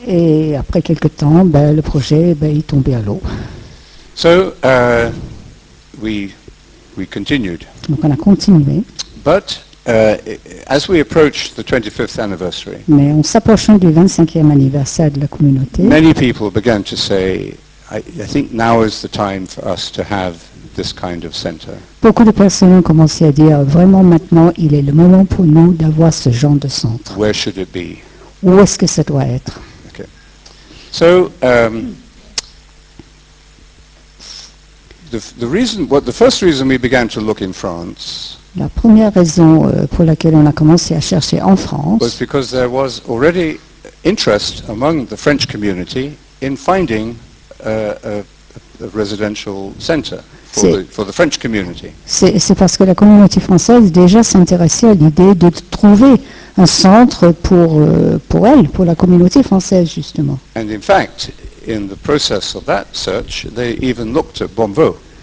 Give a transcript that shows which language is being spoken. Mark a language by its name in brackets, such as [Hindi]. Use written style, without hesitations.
[French] Et après quelques temps, ben, le projet, ben, il tombait à l'eau. [English] So we continued. [French] Donc on a continué. [English] But as we approached the 25th anniversary, [French] mais en s'approchant du 25e anniversaire de la communauté, [English] many people began to say, I think now is the time for us to have this kind of center. [French] Beaucoup de personnes ont commencé à dire, vraiment maintenant, il est le moment pour nous d'avoir ce genre de centre. [English] Where should it be? [French] Où est-ce que ça doit être? [English] Okay. So, the first reason we began to look in France. [French] La première raison pour laquelle on a commencé à chercher en France. [English] Was because there was already interest among the French community in finding a residential center. For the French community. [French] C'est parce que la communauté française déjà s'intéressait à l'idée de trouver un centre pour elle, pour la communauté française justement. [English] And in fact, in the process of that search, they even looked at Bonvaux.